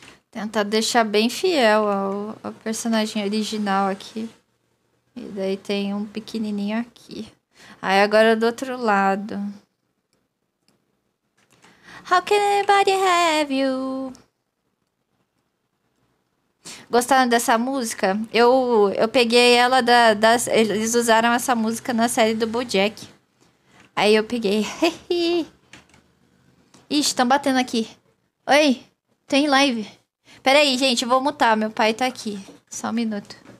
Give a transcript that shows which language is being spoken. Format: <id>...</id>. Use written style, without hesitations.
<pt>Tentar deixar bem fiel ao personagem original aqui. E daí tem um pequenininho aqui. Aí agora do outro lado.</pt> <en>How can anybody have you?</en> <pt>Gostaram dessa música? Eu peguei ela eles usaram essa música na série do BoJack. Aí eu peguei. Ixi, estão batendo aqui. Oi, tem live. Pera aí, gente, vou mutar. Meu pai tá aqui. Só um minuto.</pt>